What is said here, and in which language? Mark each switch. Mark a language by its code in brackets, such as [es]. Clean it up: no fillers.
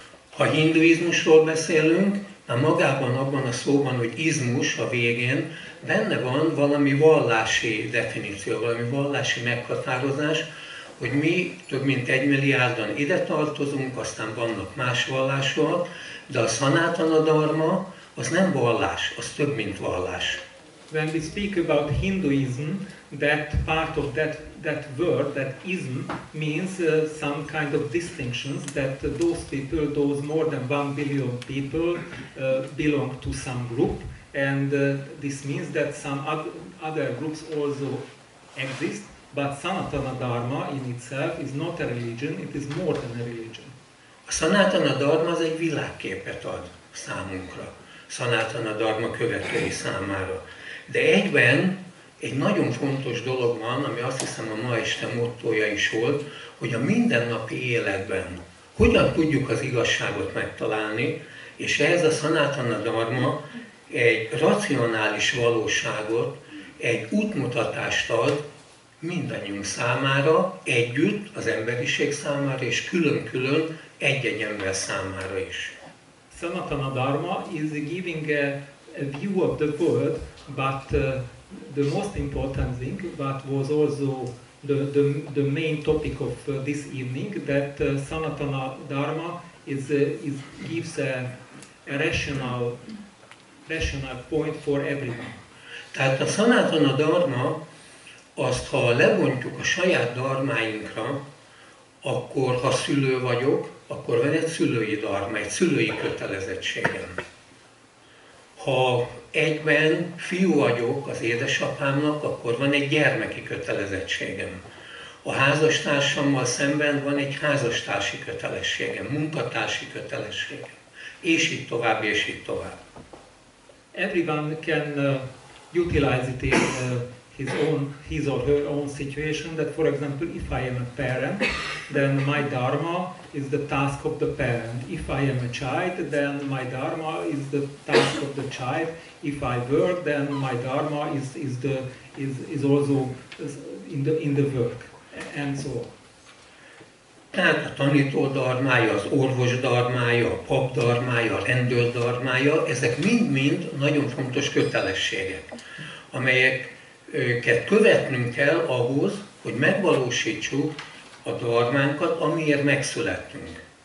[hu] Ha hinduizmusról beszélünk, már magában abban a szóban, hogy izmus a végén, benne van valami vallási definíció, valami vallási meghatározás, hogy mi több mint 1 milliárdan ide tartozunk, aztán vannak más vallások, de a Sanatana Dharma az nem vallás, az több mint vallás. [en] When we speak about Hinduism, that part of that word, that ism, means some kind of distinctions that those people, those more than 1 billion people, belong to some group, and this means that some other groups also exist. But Sanatana Dharma in itself is not a religion; it is more than a religion. [hu] A Sanatana Dharma az egy világképet ad számunkra, Sanatana Dharma követői számára. De egyben egy nagyon fontos dolog van, ami azt hiszem a ma este mottoja is volt, hogy a mindennapi életben hogyan tudjuk az igazságot megtalálni, és ehhez a Sanatana Dharma egy racionális valóságot, egy útmutatást ad mindannyiunk számára, együtt az emberiség számára, és külön-külön egy-egy ember számára is. [en] Sanatana Dharma is giving a view of the world, but the most important thing, but was also the main topic of this evening, that Sanatana Dharma gives a rational point for everyone. [hu] Tehát a Sanatana Dharma, azt ha lebontjuk a saját dharmáinkra, akkor ha szülő vagyok, akkor van egy szülői dharma, egy szülői kötelezettségem. Ha egyben fiú vagyok az édesapámnak, akkor van egy gyermeki kötelezettségem. A házastársammal szemben van egy házastársi kötelességem, munkatársi kötelességem. És így tovább, és így tovább. [en] Everyone can utilize it in his or her own situation, that for example, if I am a parent, then my dharma is the task of the parent. If I am a child, then my dharma is the task of the child. If I work, then my dharma is also in the work, and so on. [hu] Tehát a tanító dharmája, az orvos dharmája, a pap dharmája, a rendőr dharmája, ezek mind-mind nagyon fontos kötelességek, amelyeket követnünk kell ahhoz, hogy megvalósítsuk a dharmánkat, amiért megszülettünk.